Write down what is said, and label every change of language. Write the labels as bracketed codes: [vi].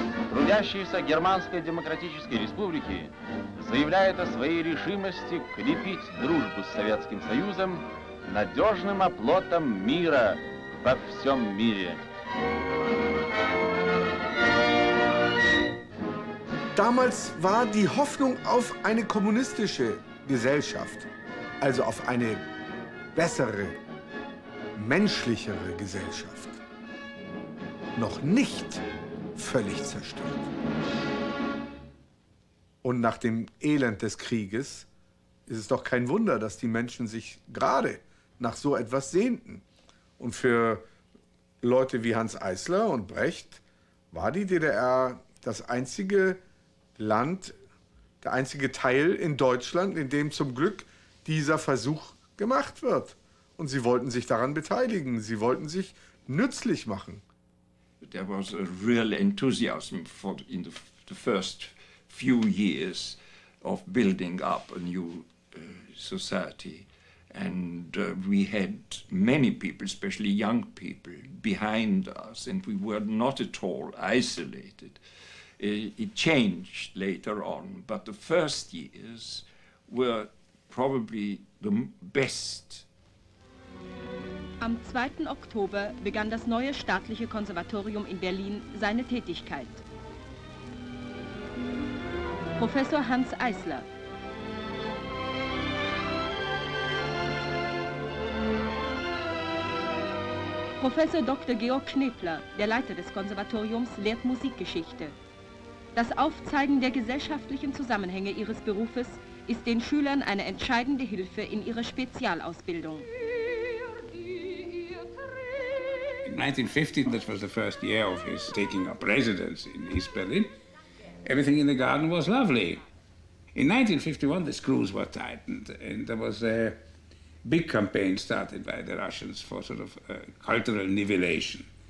[ru] Трудящиеся Германской Демократической Республики заявляют о своей решимости крепить дружбу с Советским Союзом надежным оплотом мира во всем мире. [de] Damals war die Hoffnung auf eine kommunistische Gesellschaft, also auf eine bessere, menschlichere Gesellschaft, noch nicht völlig zerstört. Und nach dem Elend des Krieges ist es doch kein Wunder, dass die Menschen sich gerade nach so etwas sehnten. Und für Leute wie Hans Eisler und Brecht war die DDR das einzige Land, der einzige Teil in Deutschland, in dem zum Glück dieser Versuch gemacht wird. Und sie wollten sich daran beteiligen, sie wollten sich nützlich machen. [en] There was a real enthusiasm for in the first few years of building up a new society. And we had many people, especially young people, behind us, and we were not at all isolated. It changed later on, but the first years were probably the best. [de] Am 2. Oktober begann das neue staatliche Konservatorium in Berlin seine Tätigkeit. Professor Hans Eisler. Professor Dr. Georg Knebler, der Leiter des Konservatoriums, lehrt Musikgeschichte. Das Aufzeigen der gesellschaftlichen Zusammenhänge ihres Berufes ist den Schülern eine entscheidende Hilfe in ihrer Spezialausbildung. [en] In 1915, that was the first year of his taking up residence in East Berlin, everything in the garden was lovely. In 1951, the screws were tightened, and there was a big campaign started by the Russians for sort of cultural nivellation.